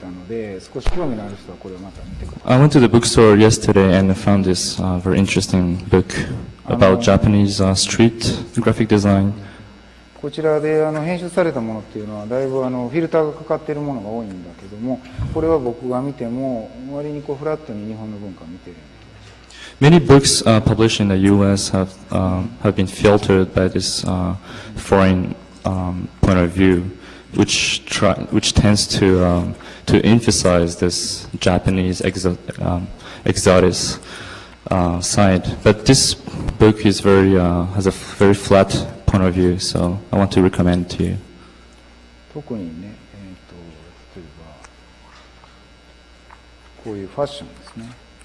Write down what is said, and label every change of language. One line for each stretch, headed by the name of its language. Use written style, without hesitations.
Japanese: で、今までの話を昨日、本屋で見つけたので、少し興味のある人はこれをまた見てください。
English: I went to the bookstore yesterday and found this very interesting book about Japanese street graphic design.
Japanese: こちらで編集されたものっていうのはだいぶフィルターがかかってるものが多いんだけども、これは僕が見ても割にこうフラットに日本の文化を見てる。
English: Many books published in the U.S. Have been filtered by this foreign point of view, which tends to emphasize this Japanese exotic side. But this book is very has a very flat point of view, so I want to recommend to you.
Japanese: 特にね、例えばこういうファッションですね。